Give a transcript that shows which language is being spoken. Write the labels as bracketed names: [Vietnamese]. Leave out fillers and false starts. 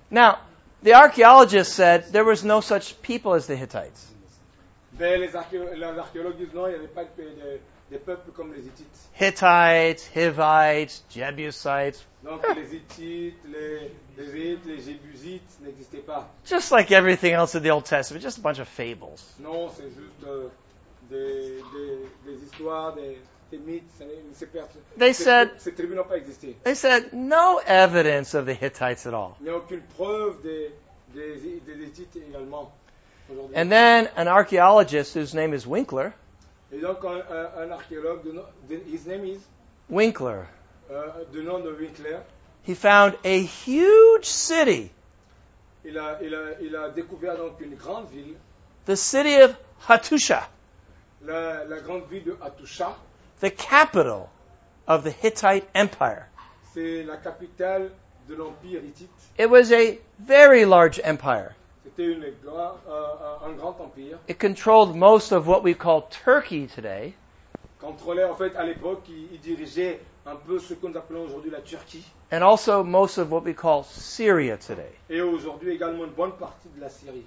[English] Now, the archaeologist said there was no such people as the Hittites. [French] Les archéologues disent non, il n'y avait pas de peuples comme les Hittites. [English] Hittites, Hivites, Jebusites. [French] Donc les Hittites, les Hittites, les Jebusites n'existaient pas. [English] Just like everything else in the Old Testament, just a bunch of fables. [French] Non, c'est juste des histoires, des mythes. Ces tribus n'ont pas existé. [English] They said no evidence of the Hittites at all. [French] Il n'y a aucune preuve des Hittites également. [English] And then an archaeologist whose name is Winkler. [French] Et donc un archéologue, [English] his name is Winkler. [French] De nom de Winkler. [English] He found a huge city. [French] Il a découvert donc une grande ville. [English] The city of Hattusha. [French] La grande ville de Hattusha. [English] The capital of the Hittite Empire. [French] C'est la capitale de l'empire Hittite. [English] It was a very large empire. [French] C'était un grand empire. [English] It controlled most of what we call Turkey today. [French] Contrôlait en fait à l'époque, il dirigeait un peu ce que nous appelons aujourd'hui la Turquie. [English] And also most of what we call Syria today. [French] Et aujourd'hui également une bonne partie de la Syrie.